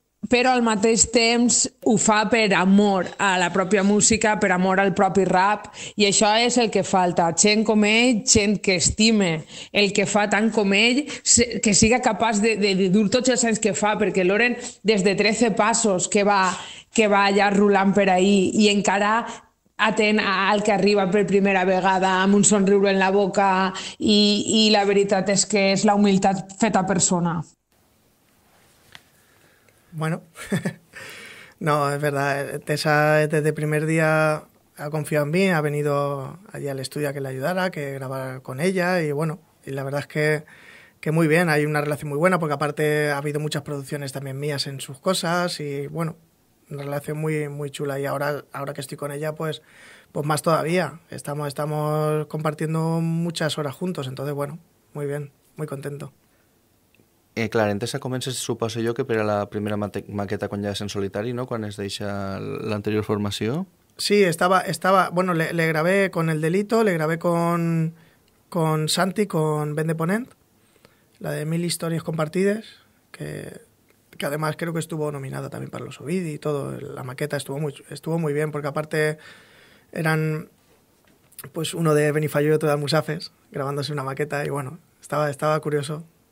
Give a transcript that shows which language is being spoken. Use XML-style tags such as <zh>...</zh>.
<ca>però al mateix temps ho fa per amor a la pròpia música, per amor al propi rap, i això és el que falta, gent com ell, gent que estime el que fa tant com ell, que siga capaç de dur tots els anys que fa, perquè Loren, des de 13 passos que va allà rulant per ahir, i encara atent al que arriba per primera vegada amb un somriure en la boca, i la veritat és que és la humilitat feta persona.</ca> <es>Bueno, no, es verdad, Tessa desde el primer día ha confiado en mí, ha venido allí al estudio a que le ayudara, que grabara con ella, y bueno, y la verdad es que muy bien, hay una relación muy buena, porque aparte ha habido muchas producciones también mías en sus cosas, y bueno, una relación muy, muy chula, y ahora que estoy con ella, pues más todavía, estamos compartiendo muchas horas juntos, entonces bueno, muy bien, muy contento.</es> <ca>Clar, en Tessa comences, suposo jo, que per a la primera maqueta quan ja és en solitari, no?, quan es deixa l'anterior formació. Sí, estava...</ca> <es>Bueno, le grabé con El Delito, le grabé con Santi, con Ben de Ponent, la de Mil Historias Compartides, que además creo que estuvo nominada también para los Ovidi y todo. La maqueta estuvo muy bien, porque aparte eran pues uno de Benifayó y otro de Almusafes grabándose una maqueta, y bueno, estaba curioso.</es>